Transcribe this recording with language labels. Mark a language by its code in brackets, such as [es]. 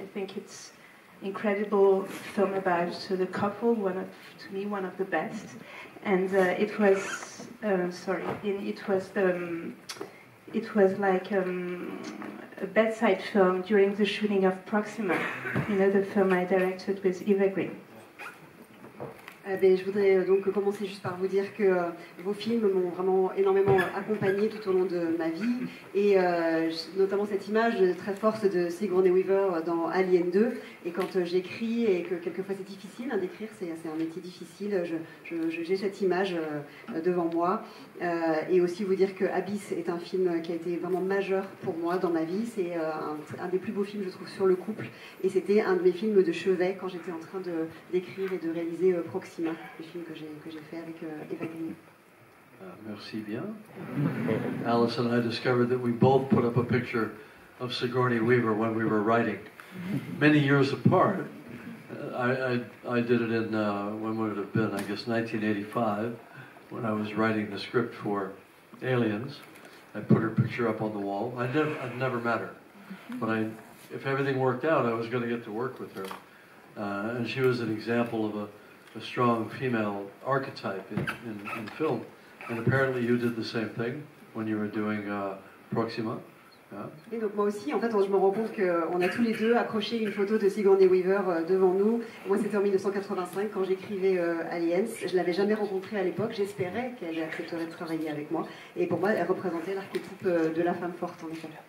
[en] I think it's incredible film about the couple, one of the best. And it was like a bedside film during the shooting of Proxima, you know, the film I directed with Eva Green. [fr] Je voudrais donc commencer juste par vous dire que vos films m'ont vraiment énormément accompagnée tout au long de ma vie, et notamment cette image très forte de Sigourney Weaver dans Alien 2. Et quand j'écris, et que quelquefois c'est difficile d'écrire, c'est un métier difficile, j'ai cette image devant moi. Et aussi vous dire que Abyss est un film qui a été vraiment majeur pour moi dans ma vie. C'est un des plus beaux films, je trouve, sur le couple, et c'était un de mes films de chevet quand j'étais en train d'écrire et de réaliser Proxima, le film que j'ai fait avec Eva Green. Merci bien. [en] Alice and I discovered that we both put up a picture of Sigourney Weaver when we were writing, many years apart. I did it in, when would it have been, I guess 1985, when I was writing the script for Aliens. I put her picture up on the wall. I'd never met her, but if everything worked out, I was going to get to work with her. And she was an example of a strong female archetype in film. And apparently you did the same thing when you were doing Proxima. [fr] Et donc moi aussi, en fait, je me rends compte qu'on a tous les deux accroché une photo de Sigourney Weaver devant nous. Moi, c'était en 1985, quand j'écrivais Aliens. Je ne l'avais jamais rencontrée à l'époque. J'espérais qu'elle accepterait de travailler avec moi. Et pour moi, elle représentait l'archétype de la femme forte, en effet.